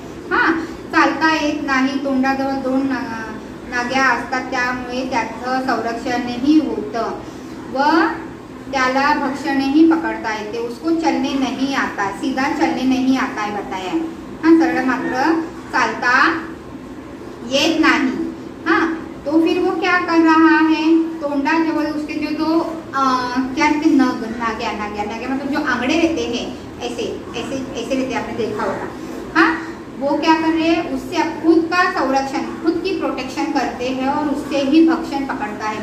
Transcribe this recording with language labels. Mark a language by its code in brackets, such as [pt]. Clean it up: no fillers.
[mr] हाँ, चालता येत नाही, तोंडाजवळ दोन नाग्या असतात, त्यामुळे त्याचं संरक्षणही होतं व त्याला भक्षणही पकडता येते। [hi] उसको चलने नहीं आता, सीधा चलने नहीं आता है बताया। [mr] हाँ, सरळ मात्र चालता येत नाही। [hi] हाँ, तो फिर वो क्या कर रहा है, [mr] तोंडा जवळ [hi] उसके जो दो क्या रहते, नग, नाग्या, नाग्या, नाग्या मतलब जो आंगड़े रहते हैं, ऐसे ऐसे ऐसे रहते, आपने देखा होगा। हाँ, वो क्या कर रहे हैं, उससे खुद का संरक्षण, खुद की प्रोटेक्शन करते हैं और उससे ही भक्षण पकड़ता है।